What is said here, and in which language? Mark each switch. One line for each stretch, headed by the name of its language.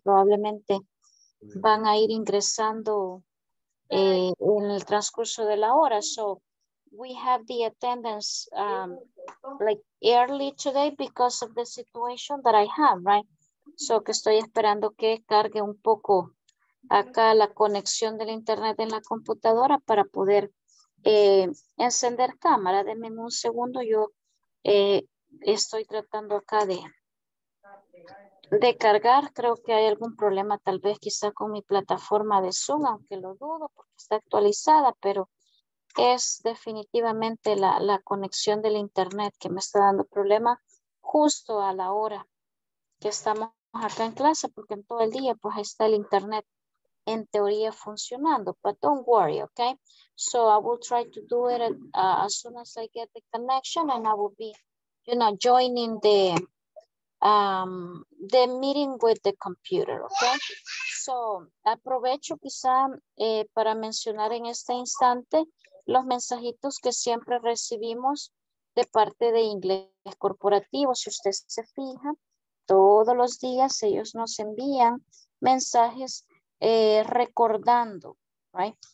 Spanish: Probablemente van a ir ingresando en el transcurso de la hora.
English: So, we have the attendance like early today because of the situation that I have, right?
Spanish: So, que estoy esperando que cargue un poco acá la conexión del internet en la computadora para poder encender cámara. Denme un segundo, yo estoy tratando acá de cargar. Creo que hay algún problema tal vez quizá con mi plataforma de Zoom, aunque lo dudo porque está actualizada, pero es definitivamente la conexión del internet que me está dando problema justo a la hora que estamos acá en clase, porque en todo el día pues está el internet en teoría funcionando,
English: but don't worry, okay? So I will try to do it as soon as I get the connection, and I will be, you know, joining the meeting with the computer, okay?
Spanish: So aprovecho quizá para mencionar en este instante los mensajitos que siempre recibimos de parte de Inglés Corporativo. Si usted se fija, todos los días ellos nos envían mensajes recordando, right?